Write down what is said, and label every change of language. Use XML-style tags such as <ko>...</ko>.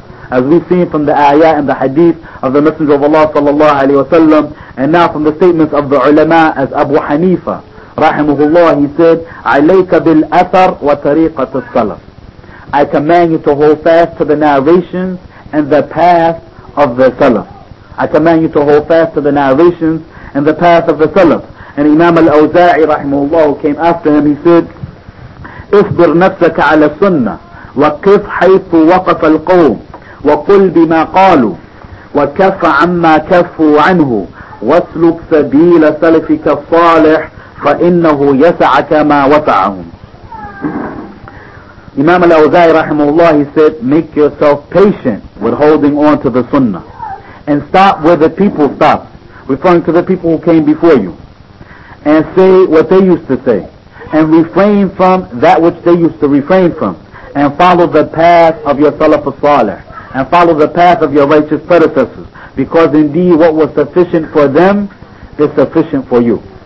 <en>As we've seen from the ayah and the hadith of the Messenger of Allah sallallahu alayhi wasallam, and now from the statements of the ulama, as Abu Hanifa رحمه الله, he said,</en> <ar>عليك بالأثر وطريقة السلف.</ar> <en>I command you to hold fast to the narrations and the path of the Salaf. I command you to hold fast to the narrations and the path of the Salaf. And Imam al-Awza'i رحمه الله came after him, he said,</en> <ar>اصبر نفسك على السنة وقف حيث وقف القوم وقل بما قالوا وكف عما كفوا عنه واسلك سبيل سلفك الصالح فَإِنَّهُ يَسَعَكَ مَا وَسَعَهُمْ.</ar> <en>Imam al-Awza'i rahimahullah, he said, make yourself patient with holding on to the sunnah, and stop where the people stop, referring to the people who came before you, and say what they used to say, and refrain from that which they used to refrain from, and follow the path of your Salaf al-Saleh, and follow the path of your righteous predecessors, because indeed what was sufficient for them is sufficient for you.</en>